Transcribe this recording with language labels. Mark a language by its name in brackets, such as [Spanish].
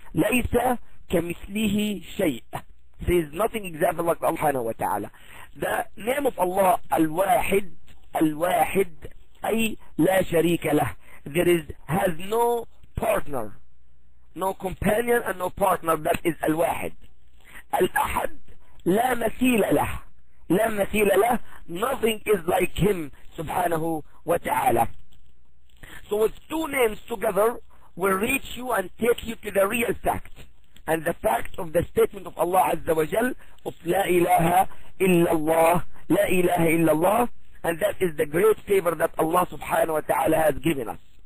[Arabic] لَيْسَ كَمِثْلِهِ شَيْءٍ. [English] There is nothing example like Allah subhanahu wa ta'ala. The name of Allah, Al-Wahid, Al-Wahid, [Arabic] أي لا شريك له. [English] Has no partner, no companion and no partner, that is Al-Wahid. [Arabic] Al-Ahad, لا مثيل له. لا مثيل له, [English] nothing is like him, subhanahu wa ta'ala. So with two names together will reach you and take you to the real fact and the fact of the statement of Allah Azza wa Jal of La ilaha illallah, La ilaha illallah, and that is the great favor that Allah subhanahu wa ta'ala has given us.